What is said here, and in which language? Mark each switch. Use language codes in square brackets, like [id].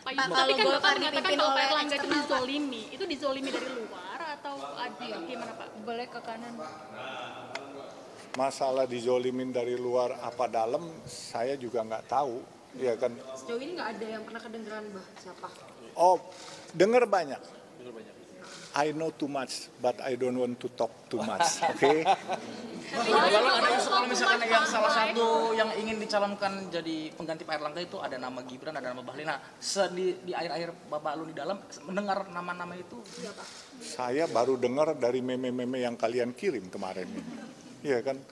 [id] Pak, tapi kan Bapak mengatakan kalau Pak Erlangga itu dizolimi. Itu dizolimi dari luar atau gimana Pak? Boleh ke kanan. Masalah dizolimin dari luar apa dalam, saya juga nggak tahu. Ya kan? Sejauh ini nggak ada yang pernah kedengeran, Mbah, siapa? Oh, dengar banyak. [en] I know too much, but I don't want to talk too much, oke? Okay? [id] Kalau ada isu kalau misalkan yang salah satu yang ingin dicalonkan jadi pengganti Pak Erlangga itu ada nama Gibran, ada nama Bahlina. Di akhir-akhir Bapak Alun di dalam, mendengar nama-nama itu? Iya, Pak. Saya baru dengar dari meme-meme yang kalian kirim kemarin. Iya kan?